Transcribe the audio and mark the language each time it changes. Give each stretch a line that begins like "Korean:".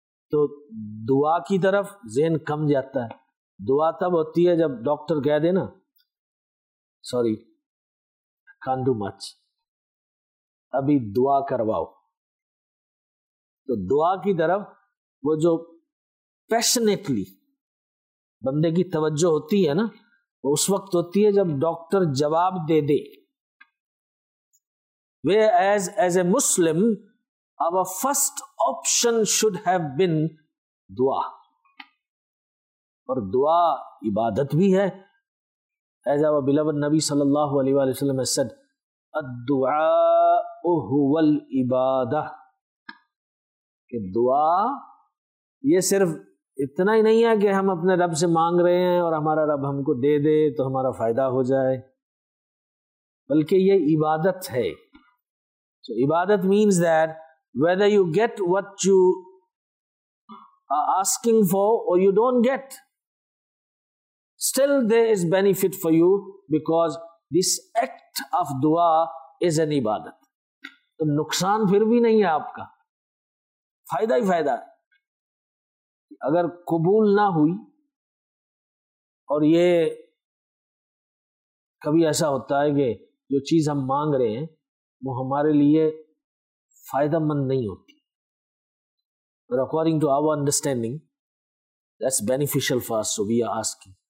Urdu: تو دعا کی طرف ذہن کم جاتا ہے. دعا تب ہوتی ہے جب ڈاکٹر کہہ دے نا
English: sorry can't do much,
Urdu: ابھی دعا کرواؤ. تو دعا کی طرف وہ جو پیشنیٹلی بندے کی توجہ ہوتی ہے نا, وہ اس وقت ہوتی ہے جب ڈاکٹر جواب دے دے.
English: Whereas as a Muslim our first option should have been دعا.
Urdu: اور دعا عبادت بھی ہے.
English: As our beloved
Urdu: نبی صلی اللہ علیہ وآلہ وسلم has said
Arabic: الدعاء هو العبادة,
Urdu: کہ دعا یہ صرف اتنا ہی نہیں ہے کہ ہم اپنے رب سے مانگ رہے ہیں اور ہمارا رب ہم کو دے دے تو ہمارا فائدہ ہو جائے, بلکہ یہ عبادت ہے.
English: So عبادت means that whether you get what you are asking for or you don't get, still there is benefit for you because this act of dua is an عبادت.
Urdu: تو نقصان پھر بھی نہیں ہے آپ کا, فائدہ ہی فائدہ ہے. اگر قبول نہ ہوئی, اور یہ کبھی ایسا ہوتا ہے کہ جو چیز ہم مانگ رہے ہیں وہ ہمارے لیے فائدہ مند نہیں ہوتی,
English: But according to our understanding that's beneficial for us, so we are asking.